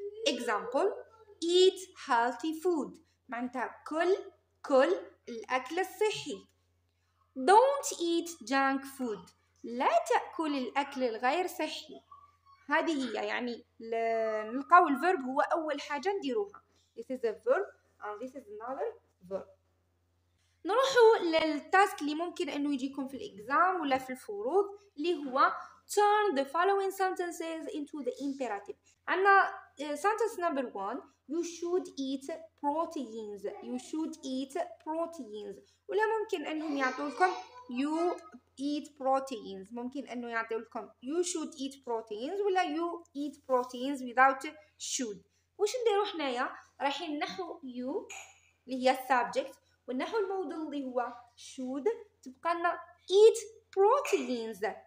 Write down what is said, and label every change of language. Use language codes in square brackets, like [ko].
[ar] Example [en] eat healthy food [ar] معناتها كل الأكل الصحي. [en] Don't eat junk food. [ar] لا تأكل الأكل الغير صحي. هذه هي يعني نلقاو الفيرب هو أول حاجة نديروها. [en] This is a verb and this is another verb. [ar] نروحوا للتاسك اللي ممكن أنه يجيكم في الإكزام ولا في الفروض اللي هو [en] turn the following sentences into the imperative. عنا sentence number one, you should eat proteins. You should eat proteins. [ar] ولا ممكن أنهم يعطوكم [en] you eat proteins. [ar] ممكن أنه يعطوكم [en] you should eat proteins ولا you eat proteins without should. [ar] وش نديرو حنايا؟ رايحين نحو you اللي هي subject ونحو المودل اللي هو should تبقى لنا [en] eat proteins.